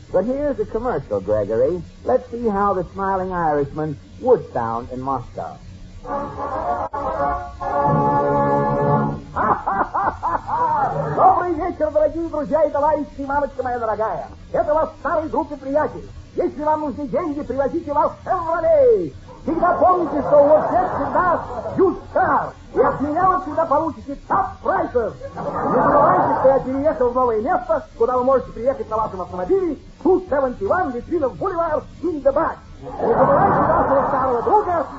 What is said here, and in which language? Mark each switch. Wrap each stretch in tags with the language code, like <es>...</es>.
<en>But here's a commercial, Gregory. Let's see how the smiling Irishman would sound in Moscow.</en> <ru>Добрый вечер, дорогие друзья и товарищи, мамочка моя дорогая. Это ваш старый друг и приятель. Если вам нужны деньги, привозите вас в Chevrolet. Всегда помните, что у вас есть всегда</ru> <en>used car.</en> <ru>И от меня вы всегда получите</ru> <en>top prices.</en> <ru>Не забывайте, что я переехал в новое место, куда вы можете приехать на вашем автомобиле. 271 Литвинов Бульвар</ru> <en>in the back.</en> <ru>Не забывайте вашего старого друга.</ru>